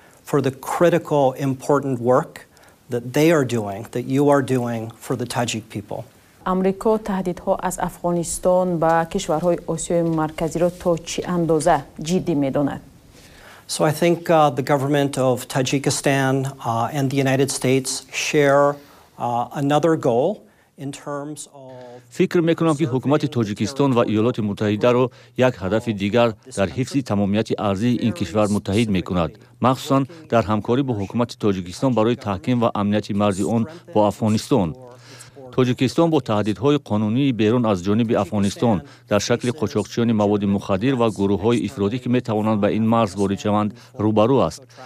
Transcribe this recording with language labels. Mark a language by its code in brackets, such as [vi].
[en] for the critical important work that they are doing that you are doing for the Tajik people. [tg] Амрико таҳдидҳо аз Афғонистон ба кишварҳои Осиёи марказиро то чи андоза ҷиддӣ медонад? [en] So I think the government of Tajikistan and the United States share another goal in terms of [tg] Фикр мекунам ки ҳукумати Тоҷикистон ва Иёлоти Муттаҳидаро як ҳадафи дигар дар ҳифзи тамомияти арзии ин кишвар муттаҳид мекунад, махсусан дар ҳамкорӣ бо ҳукумати Тоҷикистон барои таҳким ва амнияти марзи он бо Афғонистон. Тоҷикистон бо таҳдидҳои қонунии берун аз ҷониби Афғонистон дар шакли қочоқчиёни маводи мухаддир ва гурӯҳҳои ифродӣ ки метавонанд ба ин марз ворид шаванд рӯбарӯ аст.